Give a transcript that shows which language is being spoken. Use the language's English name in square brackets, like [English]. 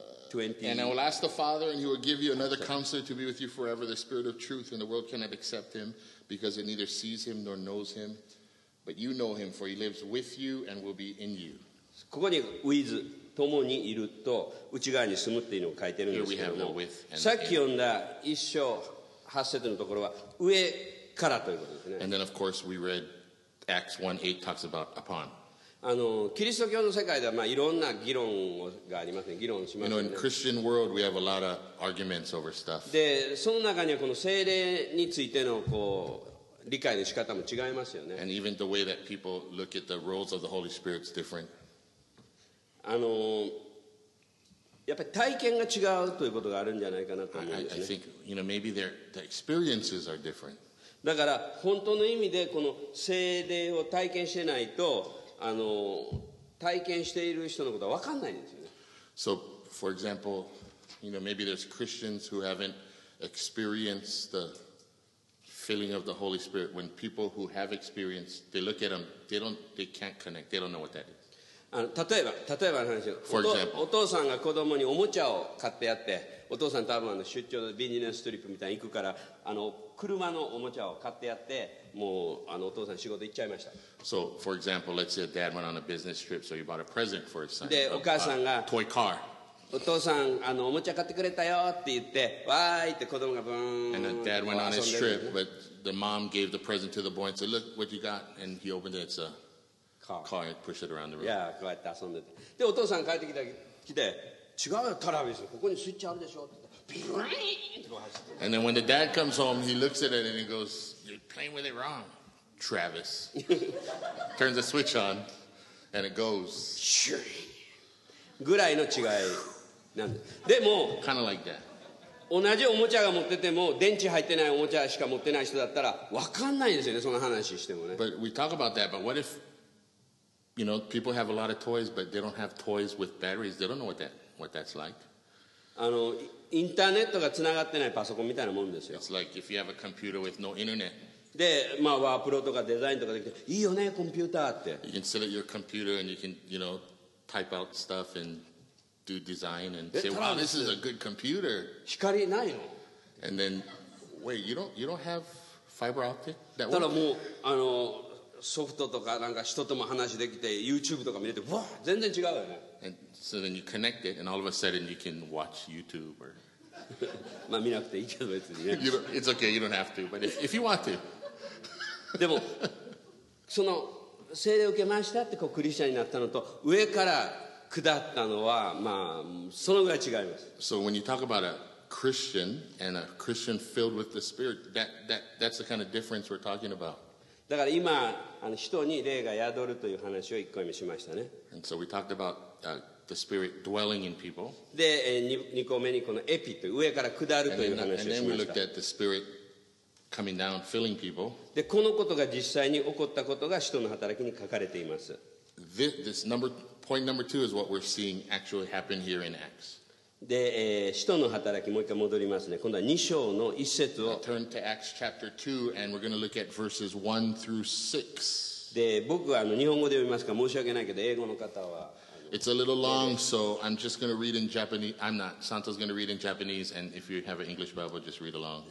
[English] 20. And I will ask the Father, and he will give you another counselor to be with you forever, the Spirit of truth, and the world cannot accept him because it neither sees him nor knows him. But you know him, for he lives with you and will be in you. [Japanese] ここに with 共にいると内側に住むっていうのを書いてるんですけども [English] 、with and [Japanese] さっき読んだ一章八節のところは上からということですね。 [English] And then of course we read Acts 1:8 talks about upon. [Japanese] あのキリスト教の世界ではまあいろんな議論がありますね。議論しますね。 [English] You know, in Christian world we have a lot of arguments over stuff. [Japanese] でその中にはこの聖霊についてのこう理解の仕方も違いますよね。 [English] And even the way that people look at the roles of the Holy Spirit is different. [Japanese] あのやっぱり体験が違うということがあるんじゃないかなと思うんですね。 [English] I think you know maybe the experiences are different. [Japanese] だから本当の意味でこの聖霊を体験してないとあの体験している人のことは分かんないんですよね。 [English] So, for example, you know, maybe there's Christians who haven't experienced the filling of the Holy Spirit. When people who have experienced, they look at them, they can't connect. They don't know what that is. [Japanese] あの例えばの話を。 [English] For example, [Japanese] お父さんが子供におもちゃを買ってやって、お父さん多分あの出張でビジネストリップみたいに行くから、あの車のおもちゃを買ってやって、もうあのお父さん仕事行っちゃいました。 [English] So, for example, let's say a dad went on a business trip, so he bought a present for his son. [Japanese] で、お母さんが、 [English] toy car. [Japanese] お父さん、あのおもちゃ買ってくれたよって言って、わーいって子供がブーン。 [English] And the dad went on his trip, but the mom gave the present to the boy and said, look what you got, and he opened it, it's a car, and pushed it around the room. [Japanese] Yeah, こうやって遊んでて。で、お父さん帰ってきて、違うよ、トラビス、ここにスイッチあるでしょって。 [English] And then when the dad comes home, he looks at it and he goes, "You're playing with it wrong, Travis." Turns the switch on, and it goes. [Japanese] ぐらいの違いなんで。でも、 [English] kind of like that. [Japanese] 同じおもちゃが持ってても電池入ってないおもちゃしか持ってない人だったら分かんないですよね。その話してもね。 [English] But we talk about that. But what if, you know, people have a lot of toys, but they don't have toys with batteries. They don't know what that's like. [Japanese] あのインターネットがつながってないパソコンみたいなもんですよ。 [English] It's like if you have a computer with no internet. [Japanese] で、まあワープロとかデザインとかできて、いいよね、コンピューターって。 [English] You can set up your computer and you can, you know, type out stuff and do design and say, wow, this is a good computer. [Japanese] 光ないの。 [English] And then, wait, you don't have fiber optic? [Japanese] だからもう、あの、ソフトとかなんか人とも話できて、YouTube とか見れて、わ、全然違うよね。 [English] And so then you connect it, and all of a sudden you can watch YouTube or. [Japanese] まあ見なくていいけど別にね。 [English] It's okay, you don't have to, but if you want to. [Japanese] でもその聖霊を受けましたってこうクリスチャンになったのと上から下ったのはまあそのぐらい違います。 [English] So when you talk about a Christian and a Christian filled with the Spirit, that's the kind of difference we're talking about. [Japanese] だから今あの人に霊が宿るという話を一個目しましたね。 [English] And so we talked about, the spirit dwelling in people. [Japanese] で、二個目にこのエピという上から下るという話をしました。 [English] And then we looked at the spirit coming down, filling people. [Japanese] で、このことが実際に起こったことが使徒の働きに書かれています。 [English] This number, point number two is what we're seeing actually happen here in Acts. [Japanese] で、使徒の働きもう一回戻りますね。今度は2章の1節を。 [English] Now、turn to Acts chapter 2 and we're going to look at verses 1 through 6. [Japanese] で、僕はあの日本語で読みますから申し訳ないけど英語の方は。あの [English] It's a little long, so I'm just going to read in Japanese. I'm not. Santo's going to read in Japanese, and if you have an English Bible, just read along.